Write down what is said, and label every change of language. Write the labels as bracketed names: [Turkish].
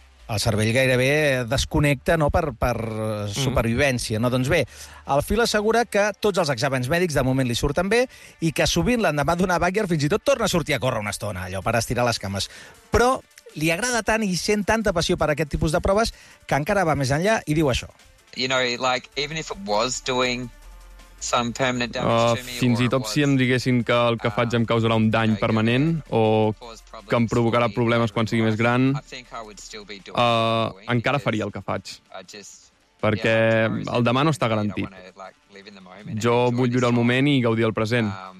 [Catalan] El cervell gairebé desconnecta, no?, per supervivència, no? Doncs bé, el Phil assegura que tots els exàmens mèdics de moment li surten bé i que sovint l'endemà d'una bàquer fins i tot torna a sortir a córrer una estona, allò, per estirar les cames. Però li agrada tant i sent tanta passió per aquest tipus de proves que encara va més enllà i diu això. [English] You know, like, even if it was doing some permanent damage to me, [Catalan] fins i tot si em diguessin que el que faig em causarà un dany permanent o que em provocarà problemes quan sigui més gran, encara faria el que faig. Perquè el demà no està garantit. Jo vull viure el moment i gaudir el present.